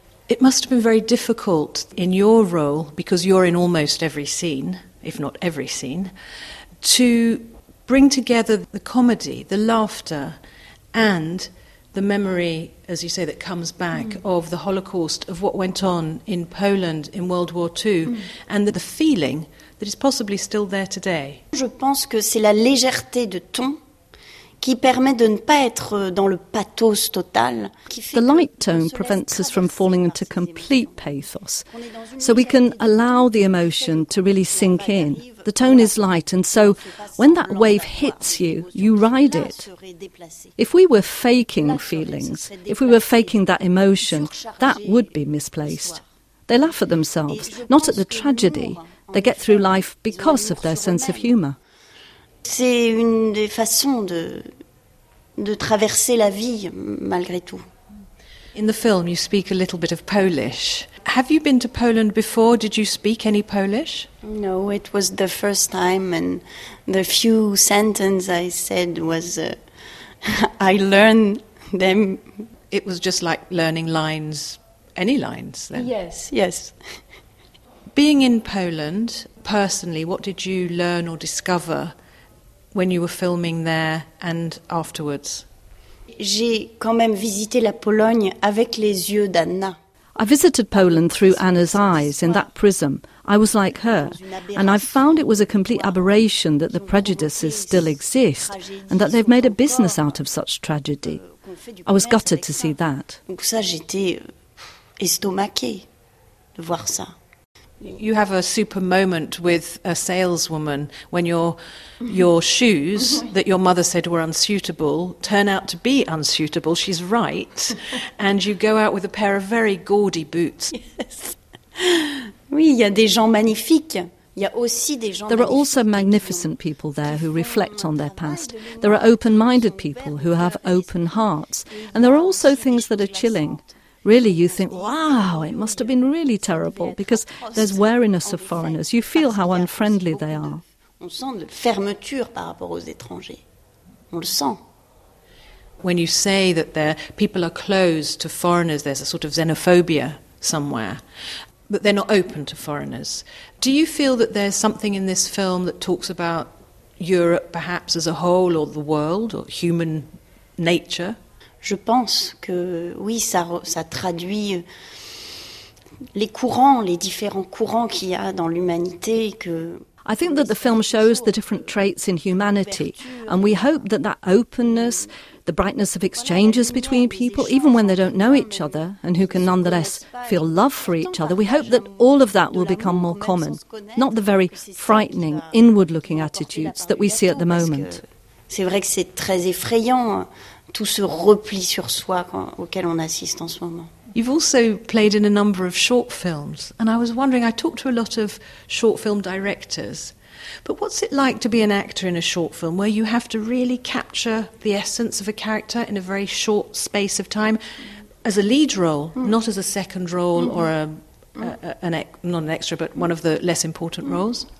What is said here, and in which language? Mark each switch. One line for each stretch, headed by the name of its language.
English: It must have been very difficult in your role, because you're in almost every scene, if not every scene, to bring together the comedy, the laughter, and the memory, as you say, that comes back of the Holocaust, of what went on in Poland in World War II, and the feeling that is possibly still there today.
French: Je pense que c'est la légèreté de ton qui permet de ne pas être dans le pathos total.
English: The light tone prevents us from falling into complete pathos, so we can allow the emotion to really sink in. The tone is light, and so when that wave hits you, you ride it. If we were faking feelings, if we were faking that emotion, that would be misplaced. They laugh at themselves, not at the tragedy. They get through life because of their sense of humour.
French: C'est une des façons de traverser la vie, malgré tout.
English: In the film, you speak a little bit of Polish. Have you been to Poland before? Did you speak any Polish? No, it was the first time, and the few sentences I said was, I learned them. It was just like learning lines, any lines then? Yes, yes. Being in Poland, personally, what did you learn or discover when you were filming there and afterwards?
French: J'ai quand même visité la Pologne avec les yeux d'Anna.
English: I visited Poland through Anna's eyes, in that prism. I was like her, and I found it was a complete aberration that the prejudices still exist and that they've made a business out of such tragedy. I was gutted to see that.
French: Ça, j'étais estomaquée de voir ça.
English: You have a super moment with a saleswoman when your shoes that your mother said were unsuitable turn out to be unsuitable. She's right. And you go out with a pair of very gaudy boots. Yes.
French: Oui, il y a des gens magnifiques.
English: There are also magnificent people there who reflect on their past. There are open-minded people who have open hearts. And there are also things that are chilling. Really, you think, wow, it must have been really terrible, because there's wariness of foreigners. You feel how unfriendly they are.
French: On sent de fermeture par rapport aux étrangers. On le sent.
English: When you say that people are closed to foreigners, there's a sort of xenophobia somewhere, but they're not open to foreigners. Do you feel that there's something in this film that talks about Europe, perhaps, as a whole, or the world, or human nature?
French: Je pense que oui, ça traduit les courants, les différents courants qu'il y a dans l'humanité. Que
English: I think that the film shows the different traits in humanity, and we hope that that openness, the brightness of exchanges between people, even when they don't know each other, and who can nonetheless feel love for each other, we hope that all of that will become more common, not the very frightening, inward-looking attitudes that we see at the moment.
French: C'est vrai que c'est très effrayant, tout ce repli sur soi auquel on assiste en ce moment.
English: You've also played in a number of short films, and I was wondering, I talked to a lot of short film directors, but what's it like to be an actor in a short film where you have to really capture the essence of a character in a very short space of time as a lead role, not as a second role or not an extra, but one of the less important roles?